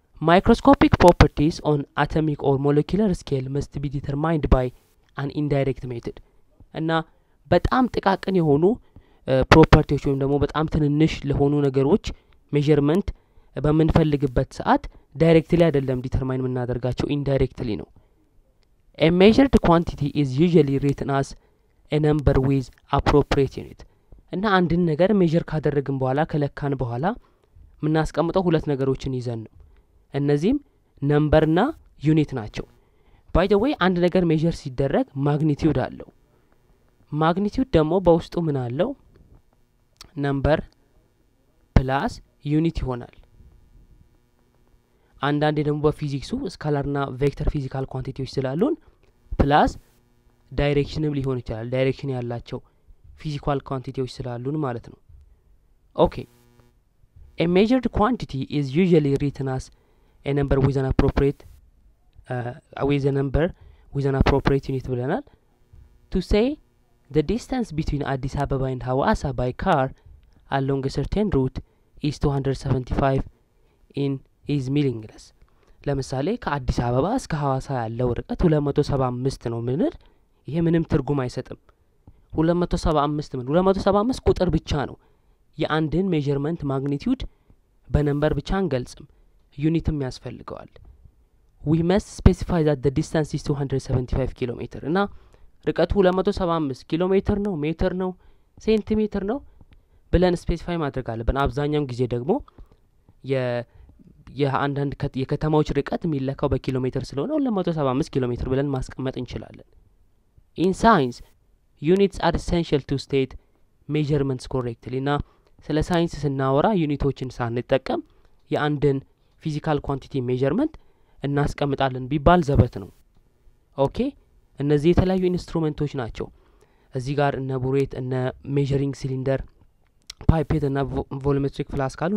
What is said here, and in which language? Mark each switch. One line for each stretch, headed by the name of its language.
English: Microscopic properties on atomic or molecular scale must be determined by an indirect method.
Amharic: እና በጣም ጥቃቅን የሆኑ ፕሮፐርቲዎች ወይም ደግሞ በጣም ትንንሽ ለሆኑ ነገሮች measurement በመንፈልግበት ሰዓት directly አይደለም determine እናደርጋቸው indirectly ነው.
English: A measured quantity is usually written as a number with appropriate unit.
Amharic: እና አንድን ነገር measure ካደረግን በኋላ ከለካን በኋላ ምናስቀምጠው ሁለት ነገሮችን ይዘን ነው. እነዚህም number እና unit ናቸው.
English: By the way,
Amharic: አንድ ነገር measure ሲደረግ magnitude አለው. Magnitude demo በውስጡ ምን አለው?
English: Number plus unit
Amharic: ይሆናል. አንዳንዴ ደግሞ በፊዚክሱ ስካላርና ቬክተር ፊዚካል ኳንቲቲዎች ስላሉን ፕላስ ዳይሬክሽንም ሊሆን ይችላል ዳይሬክሽን ያላቸው ፊዚካል ኳንቲቲዎች ስላሉን ማለት ነው. ኦኬ.
English: A measured quantity is usually written as a number with an appropriate unit
Amharic: ብለናል.
English: To say the distance between Addis Ababa and Hawassa by car along a certain route is 275 in meters.
Amharic: ለምሳሌ ከአዲስ አበባ እስከ ሐዋሳ ያለው ርቀት 275 ነው ማለት ይሄ ምንም ትርጉም አይሰጥም. 275 ማለት 275 ቁጥር ብቻ ነው. የአንድን measurement magnitude በነምበር ብቻ አንገልጽም ዩኒትም ያስፈልጋል.
English: We must specify that the distance is 275 km.
Amharic: እና ርቀቱ 275 ኪሎሜትር ነው ሜትር ነው ሴንቲሜትር ነው ብለን ስፔሲፋይ ማድረግ አለብን. አብዛኛው ጊዜ ደግሞ የአንዳንድ የከተማዎች ርቀት የሚለካው በኪሎሜትር ስለሆነ 275 ኪሎሜትር ብለን ማስቀመጥ እንችላለን.
English: In science, units are essential to state measurements correctly.
Amharic: እና ስለ ሳይንስ ስናወራ ዩኒቶችን ሳንጠቀም የአንድን ፊዚካል ኳንቲቲ ሜጀርመንት እናስቀምጣለን ቢባል ዘበት ነው. ኦኬ. እነዚህ የተለያዩ ኢንስትሩመንቶች ናቸው. እዚህ ጋር እነ ቡሬት እነ ሜጀሪንግ ሲሊንደር ፓይፔት እና ቮሊዩሜትሪክ ፍላስክ አሉ.